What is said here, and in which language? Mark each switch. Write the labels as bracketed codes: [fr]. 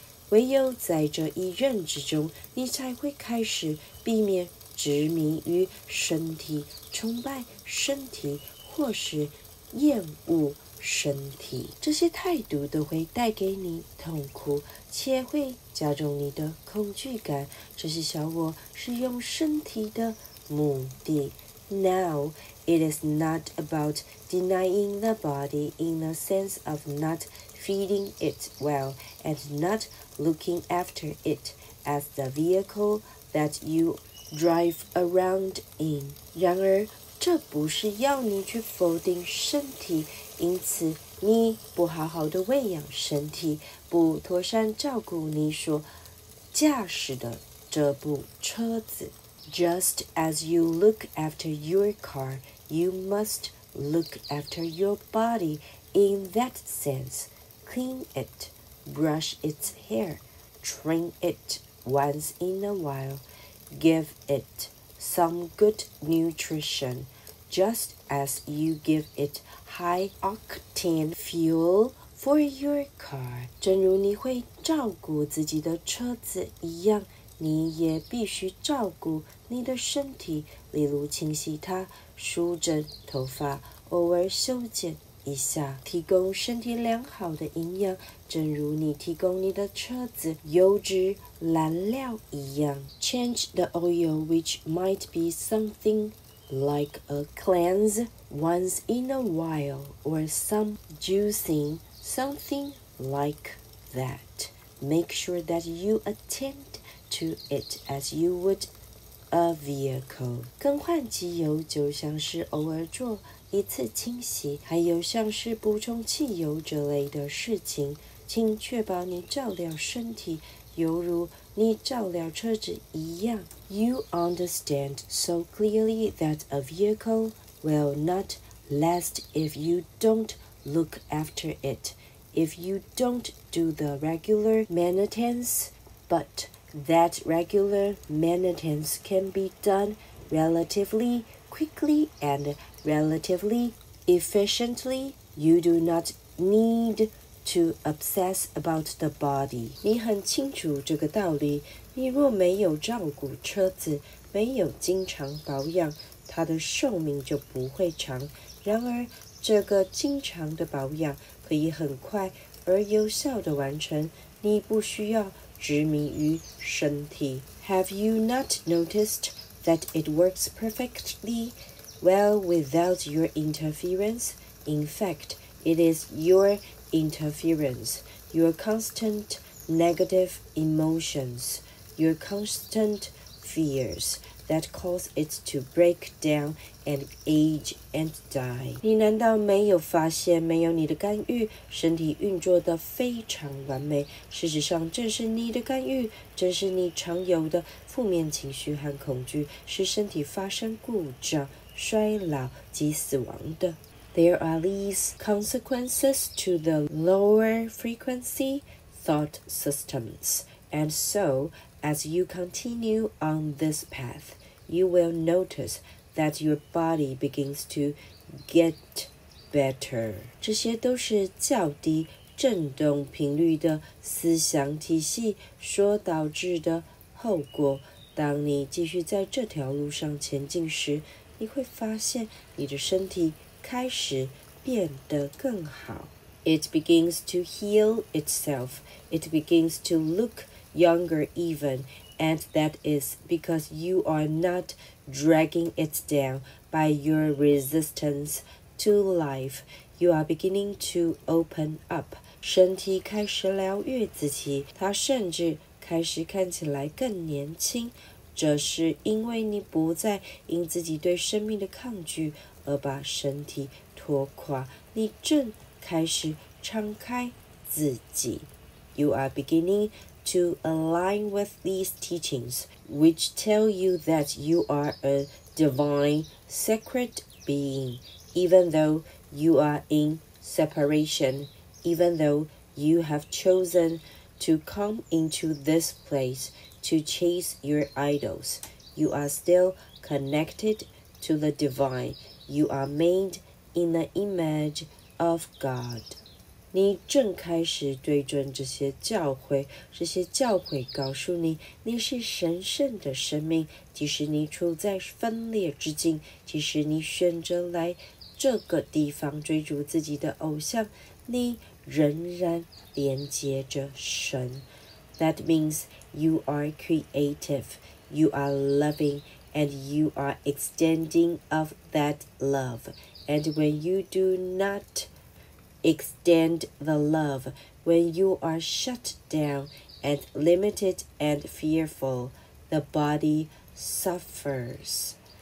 [zh] 唯有在这一任之中，你才会开始避免执迷于身体，崇拜身体，或是厌恶身体。这些态度都会带给你痛苦，且会加重你的恐惧感。这些小我是用身体的目的。 [en] Now, it is not about denying the body in the sense of not feeding it well and not looking after it as the vehicle that you drive around in. [zh] 然而，这不是要你去否定身体，因此你不好好的喂养身体，不妥善照顾你所驾驶的这部车子。 [en] Just as you look after your car, you must look after your body in that sense. Clean it, brush its hair, train it once in a while, give it some good nutrition. Just as you give it high octane fuel for your car. [zh] 正如你会照顾自己的车子一样，你也必须照顾你的身体，例如清洗它，梳整头发，偶尔修剪一下，提供身体良好的营养，正如你提供你的车子油脂燃料一样。 [en] Change the oil, which might be something like a cleanse once in a while, or some juicing, something like that. Make sure that you attendto it as you would a vehicle. [zh] 更换机油就像是偶尔做一次清洗，还有像是补充汽油这类的事情，请确保你照料身体，犹如你照料车子一样。 [en] You understand so clearly that a vehicle will not last if you don't look after it, if you don't do the regular maintenance, butThat regular maintenance can be done relatively quickly and relatively efficiently. You do not need to obsess about the body. [zh] 你很清楚这个道理。你若没有照顾车子，没有经常保养，它的寿命就不会长。然而，这个经常的保养可以很快而有效地完成。你不需要执迷于身体。 [en] Have you not noticed that it works perfectly well without your interference? In fact, it is your interference, your constant negative emotions, your constant fears that cause it to break down and age and die. [zh] 你难道没有发现没有你的干预身体运作得非常完美？事实上，正是你的干预，正是你常有的负面情绪和恐惧，使身体发生故障、衰老及死亡的。 [en] There are these consequences to the lower frequency thought systems. And so, as you continue on this path, you will notice that your body begins to get better. [zh] 这些都是较低振动频率的思想体系所导致的后果。当你继续在这条路上前进时，你会发现你的身体开始变得更好。 [en] It begins to heal itself. It begins to look younger even, and that is because you are not dragging it down by your resistance to life. You are beginning to open up. [zh] 身体开始疗愈自己，它甚至开始看起来更年轻，这是因为你不再因自己对生命的抗拒而把身体拖垮，你正开始敞开自己。 [en] You are beginningto align with these teachings, which tell you that you are a divine, sacred being, even though you are in separation, even though you have chosen to come into this place to chase your idols, you are still connected to the divine. You are made in the image of God. [zh] 你正开始对准这些教诲，这些教诲告诉你，你是神圣的生命，即使你处在分裂之境，即使你选择来这个地方追逐自己的偶像，你仍然连接着神。 [en] That means you are creative, you are loving, and you are extending of that love. And when you do not extend the love, when you are shut down and limited and fearful, the body suffers.